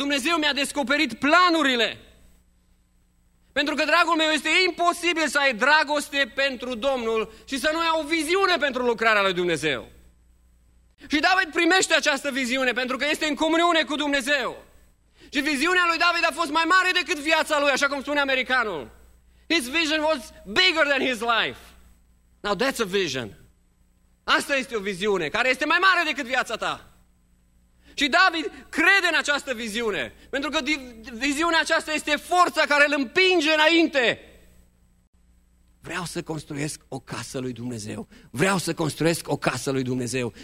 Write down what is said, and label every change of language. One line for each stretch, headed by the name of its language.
Romanian: Dumnezeu mi-a descoperit planurile. Pentru că, dragul meu, este imposibil să ai dragoste pentru Domnul și să nu ai o viziune pentru lucrarea lui Dumnezeu. Și David primește această viziune pentru că este în comuniune cu Dumnezeu. Și viziunea lui David a fost mai mare decât viața lui, așa cum spune americanul.
English: His vision was bigger than his life. Now that's a vision.
Romanian: Asta este o viziune care este mai mare decât viața ta. Și David crede în această viziune, pentru că viziunea aceasta este forța care îl împinge înainte. Vreau să construiesc o casă lui Dumnezeu. Vreau să construiesc o casă lui Dumnezeu.